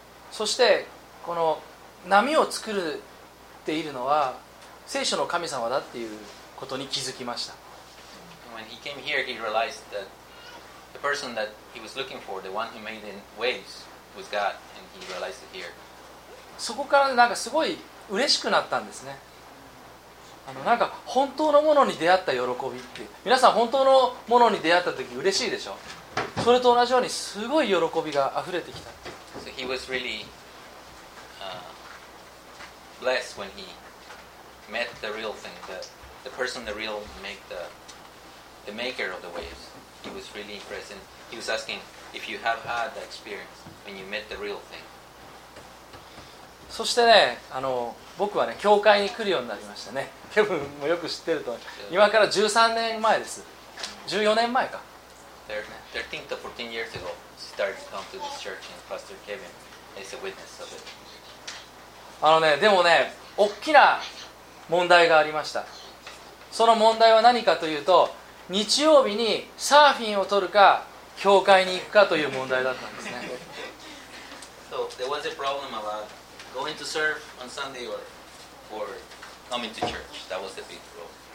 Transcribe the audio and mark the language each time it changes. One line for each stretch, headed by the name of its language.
Japanese: そしてこの波を作っているのは聖書の神様だっていうことに気づきました。
English: When he came here, he realized that the person that he was looking for, the one who made the waves, was God, and he realized it here.
Japanese: そこからなんかすごい嬉しくなったんですね。あのなんか本当のものに出会った喜びっていう、皆さん本当のものに出会った時嬉しいでしょ。それと同じようにすごい喜びが溢れてきた。
English: So he was really blessed when he met the real thing, the person, the real make, the maker of the waves. He was really impressed and he was asking if you have had that experience when you met the real thing.
Japanese: そしてね、あの僕はね教会に来るようになりましたね。ケブンもよく知ってると思う。今から13年前です。14年前か。
English: 13 to 14 years ago started to come to this church and Pastor Kevin is a witness of it.
Japanese: あのね、でもね、大きな問題がありました。その問題は何かというと、日曜日にサーフィンを取るか教会に行くかという問題だったんですね。
English: So there was a problem about going to surf on Sunday or coming to church. That was the big problem.